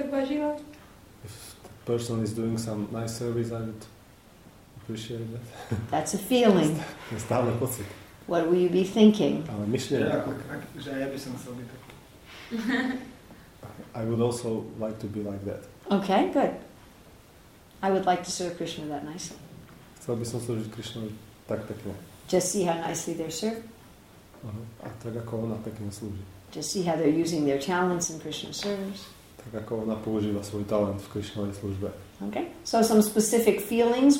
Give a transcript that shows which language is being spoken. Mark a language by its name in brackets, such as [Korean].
[English] If the person is doing some nice service, I would appreciate that. That's a feeling. [Slovak] Stále pocit. [English] What will you be thinking? [Slovak] Ale myšlienka. Že ja by som chcel byť tak. [English] I would also like to be like that. Okay, good. I would like to serve Krishna that nicely. [Slovak] Chcel by som slúžiť Krishna tak pekne. [English] Just see how nicely they're served. [Slovak] A tak ako ona pekne slúži. [English] Just see how they're using their talents in Krishna's service. [Slovak] Tak ako ona používa svoj talent v Krishnovej službe. [English] Okay, so some specific feelings.